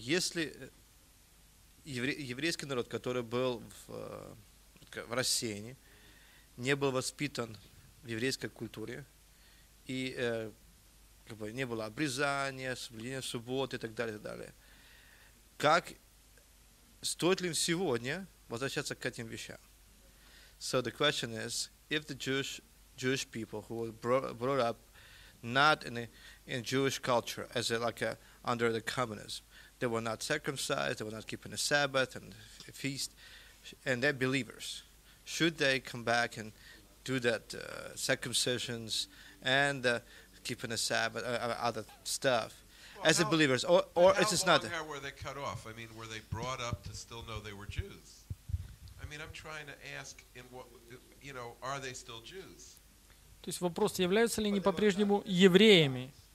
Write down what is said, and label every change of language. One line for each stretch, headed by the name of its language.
Russian: Если еврейский народ, который был в рассеянии, не был воспитан в еврейской культуре, и как бы не было обрезания, соблюдения субботы и так далее, и так далее, как стоит ли им сегодня возвращаться к этим вещам?
English: So the question is, if the Jewish people who were brought up not in Jewish culture, as like under the communism, they were not circumcised, they were not keeping the Sabbath and a feast, and they're believers, should they come back and do that circumcisions and keeping the Sabbath, other stuff? Well, as believers, or is this not? How long were they cut off? I mean, were they brought up to still know they were Jews? I mean, I'm trying to ask, are they still Jews?
Russian: То есть вопрос, являются ли они по-прежнему евреями?